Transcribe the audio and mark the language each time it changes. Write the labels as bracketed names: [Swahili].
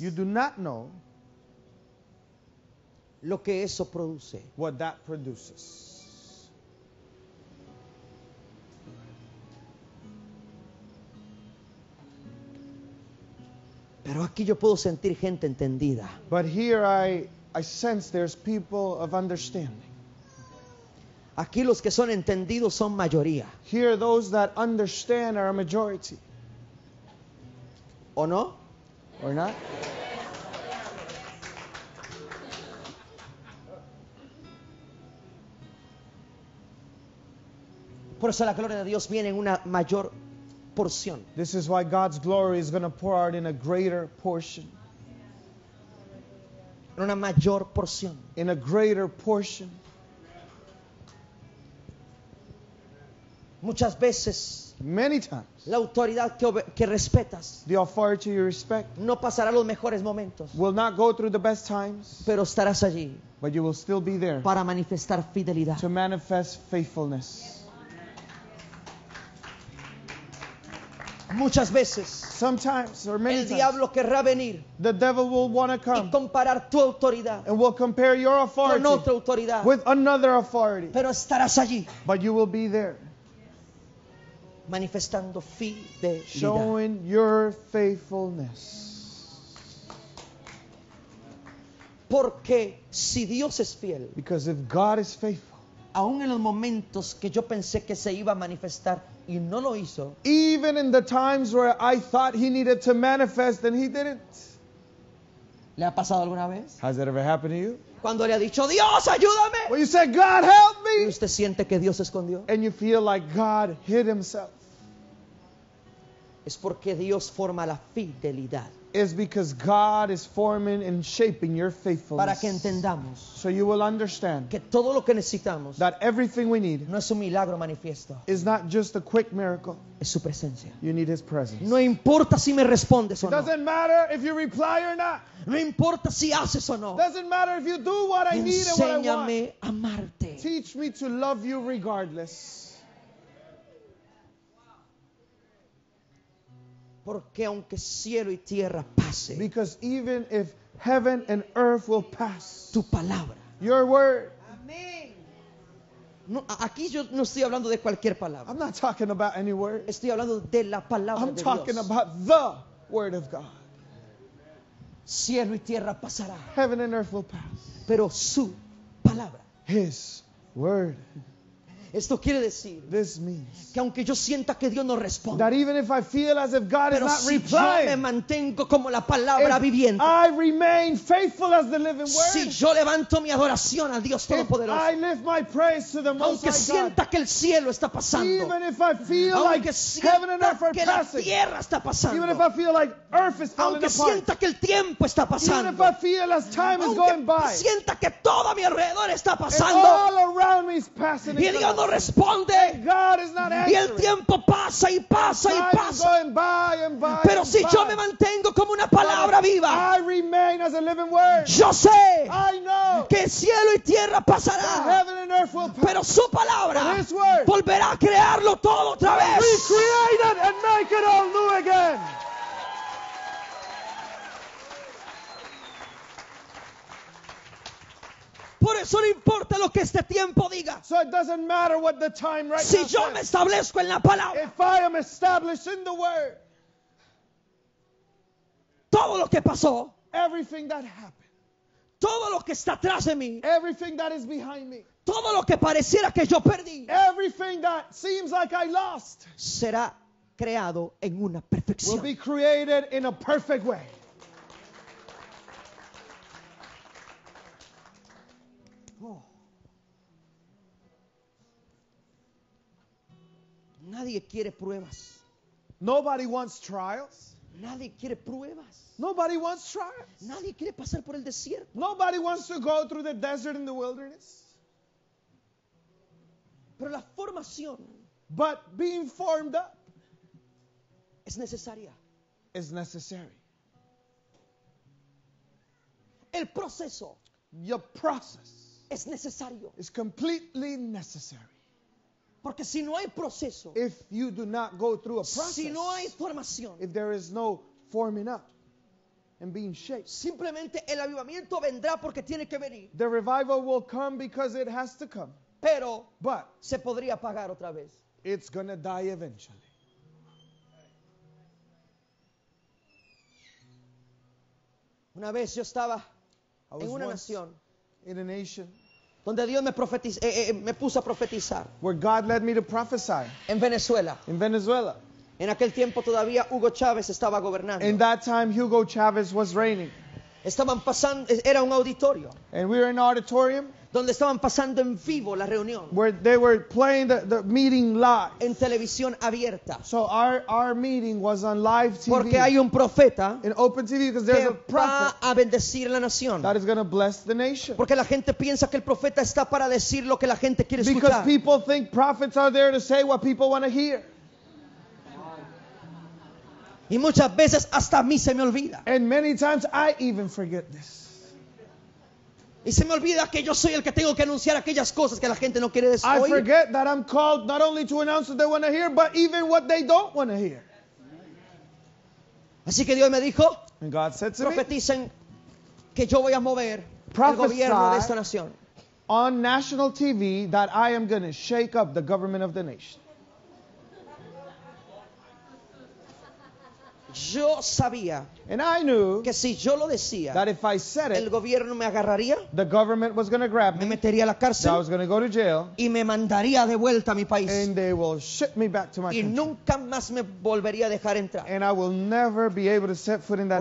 [English] you do not know, [Spanish] lo que eso produce, [English] what that produces. [Spanish] Pero aquí yo puedo sentir gente entendida. [English] But here I sense there's people of understanding. [Spanish] Aquí los que son entendidos son mayoría. [English] Here those that understand are a majority. [Spanish] ¿O no? [English] Or not? [Spanish] Por eso la gloria de Dios viene en una mayor. [English] This is why God's glory is going to pour out in a greater portion. [Spanish] En una mayor porción. [English] In a greater portion. [Spanish] Muchas veces. [English] Many times. [Spanish] La autoridad que respetas. [English] The authority you respect. [Spanish] No pasará los mejores momentos. [English] Will not go through the best times. [Spanish] Pero estarás allí. [English] But you will still be there. [Spanish] Para manifestar fidelidad. [English] To manifest faithfulness. [Spanish] Muchas veces, [English] sometimes, or many [Spanish] el diablo querrá venir, [English] the devil will want to come, [Spanish] y comparar tu autoridad, [English] and will compare your authority, [Spanish] con otra autoridad, [English] with another authority, [Spanish] pero estarás allí, [English] but you will be there, [Spanish] manifestando fidelidad, [English] showing your faithfulness, [Spanish] porque si Dios es fiel, [English] because if God is faithful, [Spanish] aún en los momentos que yo pensé que se iba a manifestar, y no lo hizo, [English] even in the times where I thought he needed to manifest and he didn't. [Spanish] ¿Le ha pasado alguna vez? [English] Has it ever happened to you? [Spanish] Cuando le ha dicho, Dios, ayúdame. [English] When you said, God, help me. [Spanish] Y usted siente que Dios escondió. [English] And you feel like God hid himself. [Spanish] Es porque Dios forma la fidelidad. [English] It's because God is forming and shaping your faithfulness. [Spanish] Para que entendamos, [English] so you will understand, [Spanish] que todo lo que necesitamos, [English] that everything we need, [Spanish] no es un milagro manifiesto, [English] is not just a quick miracle. [Spanish] Es su presencia. [English] You need his presence. [Spanish] No importa si me respondes o no. [English] Doesn't matter if you reply or not. [Spanish] No importa si haces o no. [English] Doesn't matter if you do what I need and what I want. [Spanish] Enséñame a amarte. [English] Teach me to love you regardless. [Spanish] Porque aunque cielo y tierra pase, [English] because even if heaven and earth will pass, [Spanish] tu palabra, [English] your word. [Spanish] Amén. No, aquí yo no estoy hablando de cualquier palabra. [English] I'm not talking about any word. [Spanish] Estoy hablando de la palabra [English] I'm [Spanish] de Dios. [English] I'm talking about the word of God. [Spanish] Cielo y tierra pasará. [English] Heaven and earth will pass. [Spanish] Pero su palabra. [English] His word. [Spanish] Esto quiere decir que aunque yo sienta que Dios no responde, [English] that even if I feel as if God is not replying, [Spanish] yo me mantengo como la palabra viviente, [English] I remain faithful as the living word, [Spanish] si yo levanto mi adoración a Dios todopoderoso, [English] I lift my praise to the Most [Spanish] aunque [English] High [Spanish] sienta [English] God, [Spanish] que el cielo está pasando, [English] even if I feel like heaven and earth are passing, [Spanish] la tierra está pasando, [English] even if I feel like earth is falling [Spanish] aunque [English] apart, [Spanish] sienta que el tiempo está pasando, [English] even if I feel as time is going by, [Spanish] aunque sienta que todo a mi alrededor está pasando, [English] all around me is passing, [Spanish] y Dios no responde, [English] God is not answering. [Spanish] Y el tiempo pasa y pasa y pasa, pero si yo me mantengo como una palabra viva, [English] I remain as a living word. [Spanish] Yo sé, [English] I know, [Spanish] que cielo y tierra pasará, [English] heaven and earth will pass, [Spanish] pero su palabra, [English] but His word, [Spanish] volverá a crearlo todo otra vez, [English] recreate it and make it all new again. [Spanish] Por eso no importa lo que este tiempo diga. [English] So it doesn't matter what the time right [Spanish] si [English] now [Spanish] yo [English] says. [Spanish] Me establezco en la palabra, [English] if I am established in the word, [Spanish] todo lo que pasó, [English] everything that happened, [Spanish] todo lo que está atrás de mí, [English] everything that is behind me, [Spanish] todo lo que pareciera que yo perdí, [English] everything that seems like I lost, [Spanish] será creado en una perfección. [English] Will be created in a perfect way. [Spanish] Nadie quiere pruebas. [English] Nobody wants trials. [Spanish] Nadie quiere pruebas. [English] Nobody wants trials. [Spanish] Nadie quiere pasar por el desierto. [English] Nobody wants to go through the desert and the wilderness. [Spanish] Pero la formación, [English] but being formed up, [Spanish] es necesaria. [English] Is necessary. [Spanish] El proceso, [English] your process, [Spanish] es necesario. [English] Is completely necessary. [Spanish] Porque si no hay proceso, [English] if you do not go through a process, [Spanish] si no hay formación, [English] if there is no forming up and being shaped, [Spanish] simplemente el avivamiento vendrá porque tiene que venir, [English] the revival will come because it has to come, [Spanish] pero [English] but [Spanish] se podría apagar otra vez. [English] It's going to die eventually. [Spanish] Una vez yo estaba en una nación, [English] in a nation, [Spanish] donde Dios me profetizó, me puso a profetizar. [English] Where God led me to prophesy. [Spanish] En Venezuela. [English] In Venezuela. [Spanish] En aquel tiempo todavía Hugo Chávez estaba gobernando. [English] In that time Hugo Chávez was reigning. [Spanish] Estaban pasando, era un auditorio. [English] And we were in an auditorium. [Spanish] Donde estaban pasando en vivo la reunión. [English] Where they were playing the meeting live. [Spanish] En televisión abierta. [English] So our meeting was on live TV. [Spanish] Porque hay un profeta. [English] In open TV, because there's a prophet. [Spanish] Que va a bendecir la nación. [English] That is going to bless the nation. [Spanish] Porque la gente piensa que el profeta está para decir lo que la gente quiere escuchar. [English] Because people think prophets are there to say what people want to hear. [Spanish] Y muchas veces hasta a mí se me olvida. [English] And many times I even forget this. [Spanish] Y se me olvida que yo soy el que tengo que anunciar aquellas cosas que la gente no quiere oír. [English] I forget that I'm called not only to announce what they want to hear, but even what they don't want to hear. [Spanish] Así que Dios me dijo, [English] and God said to [Spanish] profeticen [English] me, [Spanish] que yo voy a mover el gobierno de esta nación. [English] On national TV that I am going to shake up the government of the nation. [Spanish] Yo sabía, [English] and I knew, [Spanish] que si yo lo decía, [English] that if I said it, [Spanish] el gobierno me agarraría, [English] the government was going to grab me, [Spanish] me metería a la cárcel, [English] I was going to go to jail, [Spanish] y me mandaría de vuelta a mi país, [English] and they will ship me back to my [Spanish] y [English] country, [Spanish] nunca más me volvería a dejar entrar, [English] and I will never be able to set foot in that